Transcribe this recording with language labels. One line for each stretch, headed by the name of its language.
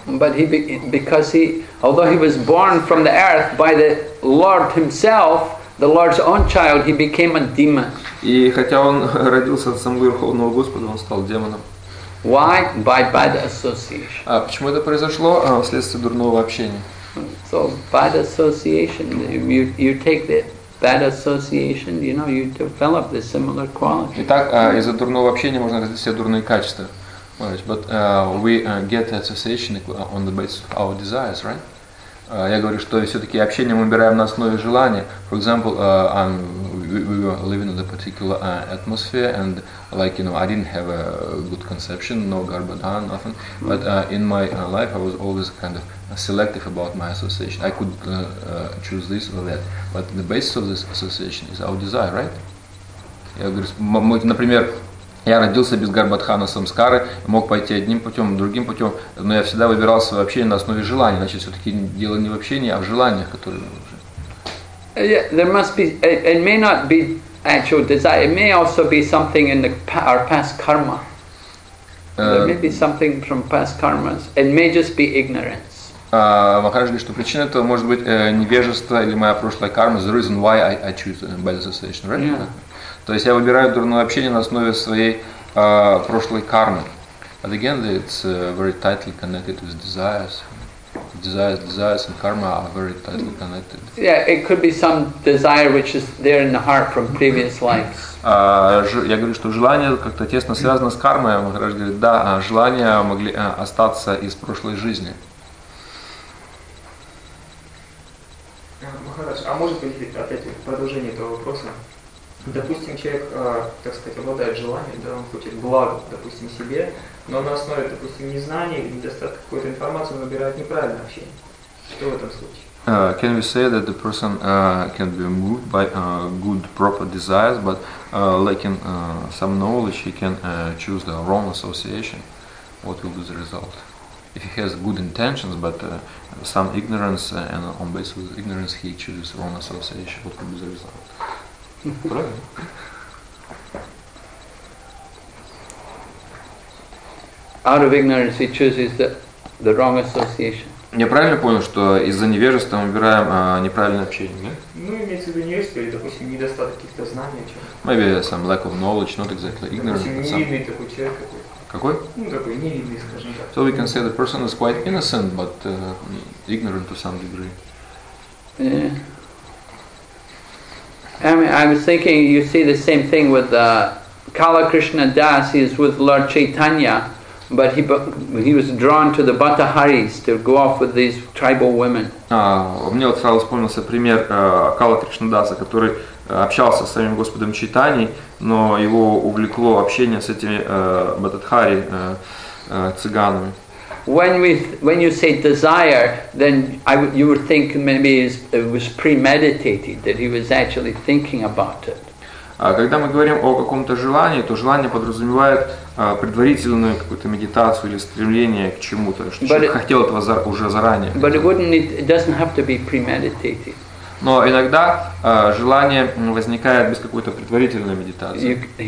English: But he because he although he was born from the earth by the Lord himself, the Lord's own child, he became a demon.
Russian: И хотя он родился от самого Верховного Господа, он стал демоном.
English: Why? By bad association.
Russian: А почему это произошло? Вследствие дурного общения.
English: So bad association. You take the bad association. You know, you develop the similar qualities.
Russian: Итак, из-за дурного общения можно развить все дурные качества.
English: But we get association on the basis of our desires, right?
Russian: Я говорю, что все-таки общение мы выбираем на основе желания.
English: For example, we were living in a particular atmosphere, and like, you know, I didn't have a good conception, no garbhodhan, nothing. But in my life, I was always kind of selective about my association. I could choose this or that. But the basis of this association is our desire, right?
Russian: Я говорю, например, я родился без Гарбадхана Самскары, мог пойти одним путем, другим путем, но я всегда выбирался в общении на основе желаний. Значит, все-таки дело не в общении, а в желаниях, которые мы уже.
English: There must be, it may not be actual desire, it may also be something in our past karma. There may be something from past karmas. It may just be ignorance.
Russian: Махарадж говорит, что причина этого может быть невежество или моя прошлая карма,
English: the reason why I choose bad association, right? Yeah.
Russian: То есть я выбираю дурное общение на основе своей прошлой кармы.
English: But again, it's very tightly connected with desires. Desires and karma are very tightly connected. Yeah, it could be some desire which is there in the heart from previous lives.
Russian: Я говорю, что желание как-то тесно связано с кармой. А Махарадж говорит, да, желания могли остаться из прошлой жизни. Махарадж, а может быть опять продолжение этого вопроса? Допустим, человек, так сказать, обладает желанием, да, он хочет благо, допустим, себе, но на основе, допустим, незнания или недостатка какой-то информации он выбирает неправильное общение. Что в этом случае?
English: Can we say that the person can be moved by good proper desires, but lacking some knowledge, he can choose the wrong association? What will be the result? If he has good intentions, but some ignorance, and on basis of ignorance, he chooses wrong association, what will be the result? Out of ignorance, he chooses the wrong association.
Russian: Я правильно понял, что из-за невежества мы выбираем неправильное общение, нет? Ну, имеется в виду невежество или, допустим, недостаток каких-то знаний о чем-то.
English: Maybe some lack of knowledge, not exactly ignorance.
Russian: Допустим, невинный такой человек какой-то. Какой? Ну, такой невинный, скажем так.
English: So we can say the person is quite innocent, but ignorant to some degree. Yeah. I mean, I was thinking, you see the same thing with Kala Krishna Das, he is with Lord Chaitanya, but he was drawn to the Bataharis to go off with these tribal women.
Russian: Мне вот сразу вспомнился пример Кала Кришна Даса, который общался с самим Господом Чайтаньей, но его увлекло общение с этими Бхататхари цыганами.
English: When you say desire, then you would think maybe it was premeditated, that he was actually thinking about it.
Russian: Когда мы говорим о каком-то желании, то желание подразумевает предварительную какую-то медитацию или стремление к чему-то, что человек хотел этого уже заранее.
English: But it wouldn't, it doesn't have to be premeditated.
Russian: Но иногда желание возникает без какой-то предварительной медитации.